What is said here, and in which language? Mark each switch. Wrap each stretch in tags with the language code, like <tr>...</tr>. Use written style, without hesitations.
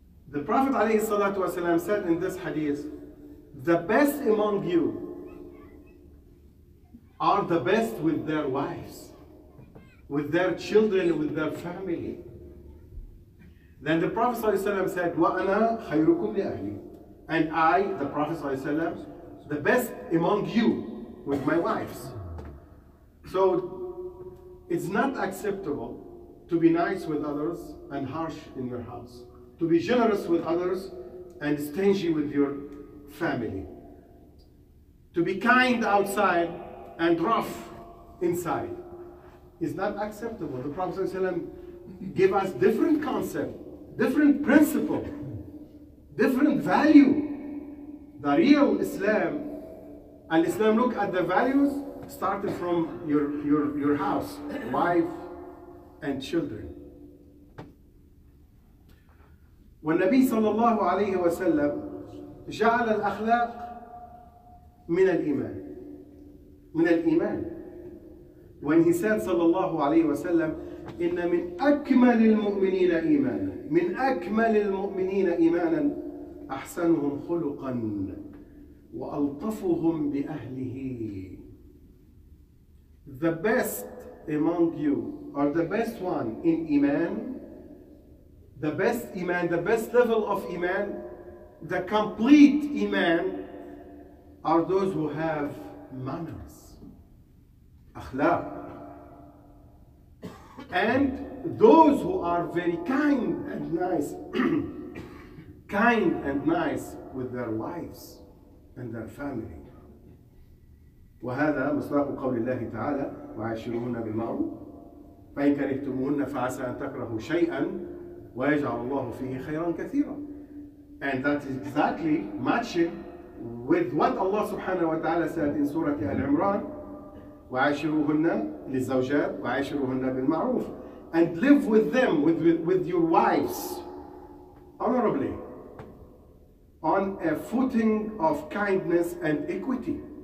<en>The Prophet</en> <ar>عليه الصلاة والسلام</ar> <en>said in this hadith, the best among you are the best with their wives, with their children, with their family. Then the Prophet</en> <ar>صلى الله عليه وسلم</ar> <en>said,</en> <ar>وأنا خيركم لأهلي.</ar> <en>And I, the Prophet</en> <ar>صلى الله عليه وسلم,</ar> <en>the best among you with my wives. So it's not acceptable to be nice with others and harsh in your house, to be generous with others and stingy with your family, to be kind outside and rough inside. It's not acceptable. The Prophet ﷺ gave us different concept, different principle, different value. The real Islam, and Islam look at the values started from your house, wife and children.</en> <ar>والنبي صلى الله عليه وسلم جعل الأخلاق من الإيمان من الإيمان.</ar> <en>When he said</en> <ar>صلى الله عليه وسلم إن من أكمل المؤمنين إيمانا من أكمل المؤمنين إيمانا أحسنهم خلقا وألطفهم بأهله.</ar> <en>The best among you, or the best one in Iman, the best Iman, the best level of Iman, the complete Iman, are those who have manners, akhlaq, and those who are very kind and nice, kind and nice with their wives and their family.</en> <ar>وهذا مصداق قول الله تعالى وعاشرهن بالمعروف فإن كرهتموهن فعسى أن تكرهوا شيئا ويجعل الله فيه خيرا كثيرا.</ar> <en>And that is exactly matching with what Allah subhanahu wa ta'ala said in Surah Al-Imran</en> <ar>وعاشرهن للزوجات وعاشرهن بالمعروف.</ar> <en>And live with them, with your wives honorably, on a footing of kindness and equity.</en>